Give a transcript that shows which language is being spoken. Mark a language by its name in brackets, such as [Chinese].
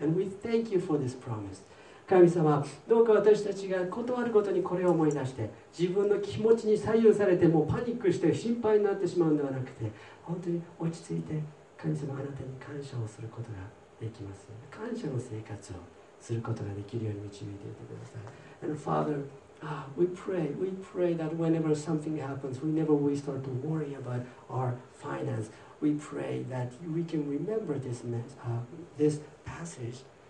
[English] And we thank you for this promise. [Japanese] 神様、どうか私たちが断るごとにこれを思い出して、自分の気持ちに左右されてもうパニックして心配になってしまうのではなくて、本当に落ち着いて神様あなたに感謝をすることができます。感謝の生活をすることができるように導いていてください。 [English] And Father, we pray that whenever something happens, whenever we start to worry about our finance, we pray that we can remember this passage.